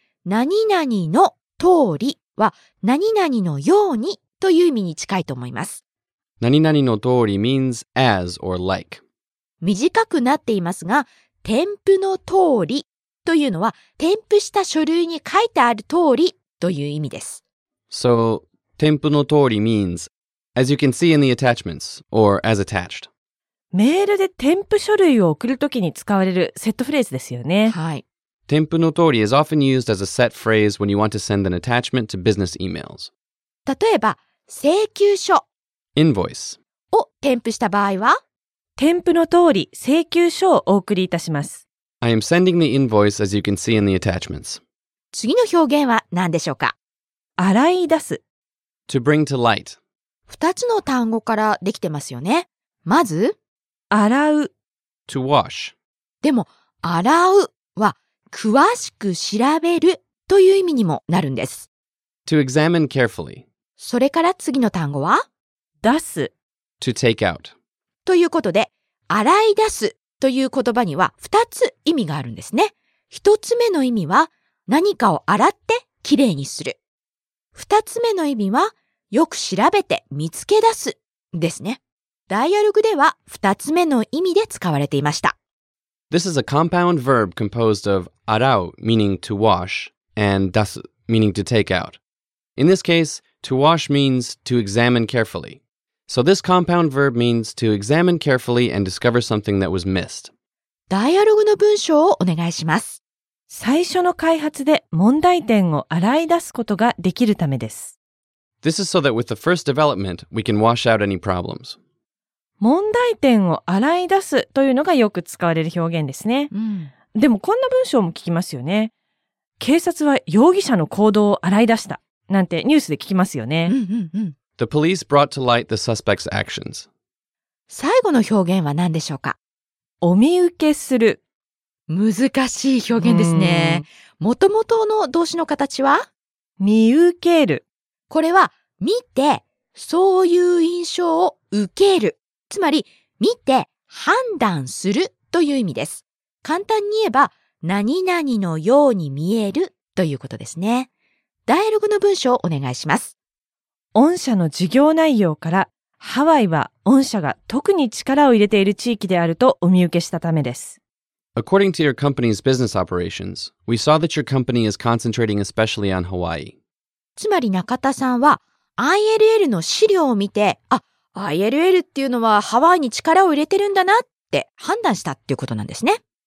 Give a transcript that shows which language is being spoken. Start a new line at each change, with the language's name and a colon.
Japanese: 何々の通りは何々のようにという意味に近いと思います。何々の通り
English: means as or like。
Japanese: 短くなっていますが、添付の通りというのは添付した書類に書いてある通りという意味です。
English: So
Japanese: 添付の通り
English: means as you can see in the attachments or as attached。
Japanese: メールで添付書類を送るときに使われるセットフレーズですよね。はい、添付の通り
English: is often used as a set phrase when you want to send an attachment to business emails。
Japanese: 例えば請求書
English: Invoice.
Japanese: を添付した場合は、添付の通り請求書をお送りいたします。
English: I am sending the invoice as you can see in the attachments.
Japanese: 次の表現は何でしょうか？洗い出す。
English: To bring to light.
Japanese: 二つの単語からできてますよね。まず、洗う。
English: To wash.
Japanese: でも、洗うは、詳しく調べるという意味にもなるんです。
English: To examine carefully.
Japanese: それから次の単語は、出す。
English: To take out.
Japanese: ということで、洗い出すという言葉には二つ意味があるんですね。一つ目の意味は、何かを洗ってきれいにする。二つ目の意味は、よく調べて見つけ出すですね。ダイアログでは二つ目の意味で使われていました。
English: This is a compound verb composed of 洗う meaning to wash and 出す meaning to take out. In this case, to wash means to examine carefully. So this compound verb means to examine carefully and discover something that was missed.
Japanese: ダイアログの文章をお願いします。最初の開発で問題点を洗い出すことができるためです。
English: This is so that with the first development, we can wash out any problems.
Japanese: 問題点を洗い出すというのがよく使われる表現ですね。うん、でもこんな文章も聞きますよね。警察は容疑者の行動を洗い出したなんてニュースで聞きますよね。うんうんうん、
English: the police brought to light the suspect's actions.
Japanese: 最後の表現は何でしょうか？お見受けする。難しい表現ですね。もともとの動詞の形は？見受ける。これは見て、そういう印象を受ける。つまり、見て判断するという意味です。簡単に言えば、何々のように見えるということですね。ダイアログの文章をお願いします。御社の事業内容から、ハワイは御社が特に力を入れている地域であるとお見受けしたためです。
English: According to your company's business operations, we saw that your company is concentrating especially on Hawaii.
Japanese: つまり中田さんは、ILL の資料を見て、あ、ILL っていうのはハワイに力を入れてるんだなって判断したっていうことなんですね。